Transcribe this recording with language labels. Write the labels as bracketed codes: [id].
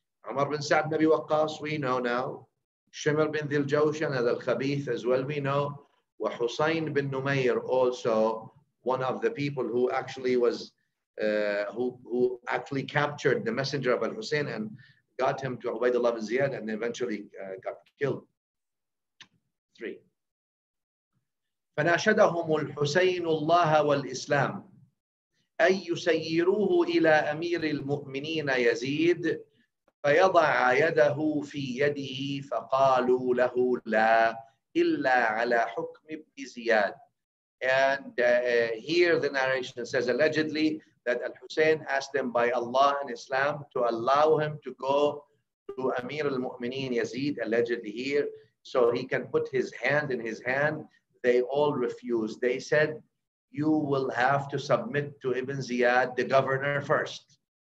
[en] Umar bin Sa'd, Nabi Waqqas, we know now. Shimr bin Diljawshan and Al-Khabith as well, we know. Wa Husayn bin Numair, also one of the people who actually was, who actually captured the messenger of Al-Hussein and got him to Ubaydullah bin Ziyad and eventually got killed. Three. [ar] فَنَاشَدَهُمُ الْحُسَيْنُ اللَّهَ وَالْإِسْلَامُ أَنْ يُسَيِّرُوهُ إِلَىٰ أَمِيرِ الْمُؤْمِنِينَ يَزِيدُ فيضع يده في يده فقالوا له لا إلا على حكم ابن زياد. [en] And here the narration says allegedly that Al-Hussein asked them by Allah and Islam to allow him to go to Amir al-Mu'mineen Yazid, allegedly here, so he can put his hand in his hand. They all refused. They said, you will have to submit to Ibn Ziyad, the governor, first.